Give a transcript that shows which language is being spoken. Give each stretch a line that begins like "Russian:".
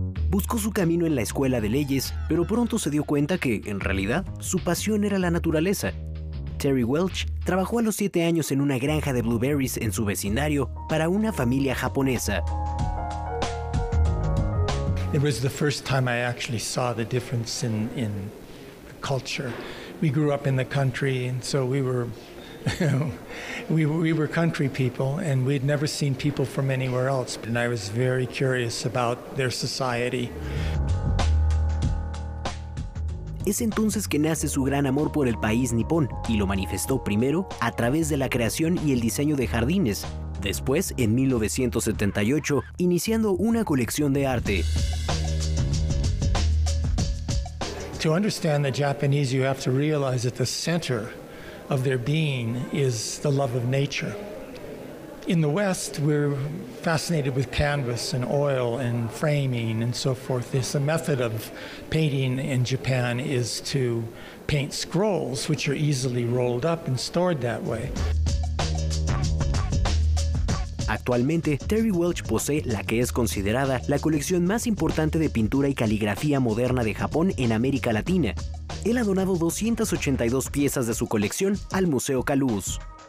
Spanish: Buscó su camino en la escuela de leyes, pero pronto se dio cuenta que, en realidad, su pasión era la naturaleza. Terry Welsh trabajó a los 7 años en una granja de blueberries en su vecindario para una familia japonesa.
English: It was the first time I actually saw the difference in the culture. We grew up in the country, and so we were we were country people, and we'd never seen people from anywhere else. And I was very curious about their society.
Spanish: Es entonces que nace su gran amor por el país nipón, y lo manifestó primero a través de la creación y el diseño de jardines. Después, en 1978, iniciando una colección de arte.
English: To understand the Japanese, you have to realize that the center of their being is the love of nature. In the West, we're fascinated with canvas and oil and framing and so forth. This a method of painting in Japan is to paint scrolls, which are easily rolled up and stored that way.
Spanish: Actualmente, Terry Welsh posee la que es considerada la colección más importante de pintura y caligrafía moderna de Japón en América Latina. Él ha donado 282 piezas de su colección al Museo Caluz.